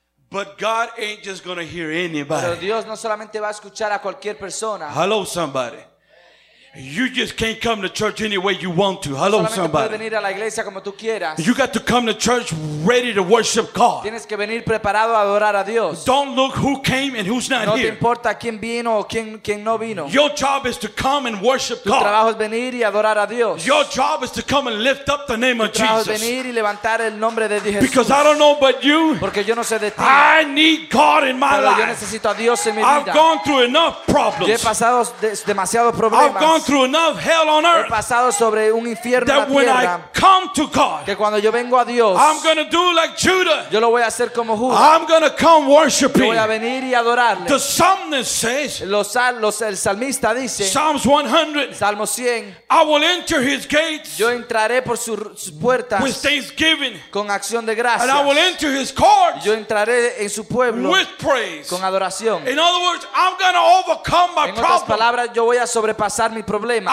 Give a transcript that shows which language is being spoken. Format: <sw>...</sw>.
<en>But God ain't just going to hear anybody.</en> <es>Pero Dios no solamente va a escuchar a cualquier persona.</es> <en>Hello, somebody. You just can't come to church any way you want to. Hello, somebody.</en> <es>Solamente puedes venir a la iglesia como tú quieras.</es> <en>You got to come to church ready to worship God.</en> <es>Tienes que venir preparado a adorar a Dios.</es> <en>Don't look who came and who's not</en> <es>No te importa quién vino o quién no vino.</es> <en>Your job is to come and worship God.</en> <es>Tu trabajo es venir y adorar a Dios.</es> <en>Your job is to come and lift up the name of Jesus.</en> <es>Tu trabajo es venir y levantar el nombre de Jesús.</es> <en>Because I don't know about you.</en> <es>Porque yo no sé de ti.</es> <en>I need God in my life.</en> <es>Pero yo necesito a Dios en mi vida.</es> <en>I've gone through enough problems.</en> <es>Yo he pasado demasiados problemas.</es> <en>gone through enough hell on earth.</en> <es>He pasado sobre un infierno en la tierra.</es> <en>That when I come to God,</en> <es>que cuando yo vengo a Dios,</es> <en>I'm gonna do like Judah.</en> <es>Yo lo voy a hacer como Judas.</es> <en>I'm gonna come worshiping.</en> <es>Yo voy a venir y adorarle.</es> <en>The psalmist says.</en> <es>El salmista dice.</es> <en>Psalms 100.</en> <es>Salmo 100.</es> <en>I will enter his gates.</en> <es>Yo entraré por sus puertas.</es> <en>With thanksgiving.</en> <es>Con acción de gracias.</es> <en>And I will enter his courts.</en> <es>Yo entraré en su pueblo.</es> <en>With praise.</en> <es>Con adoración.</es> <en>In other words, I'm gonna overcome my problem.</en> <es>En otras palabras, yo voy a sobrepasar mi problema.</es>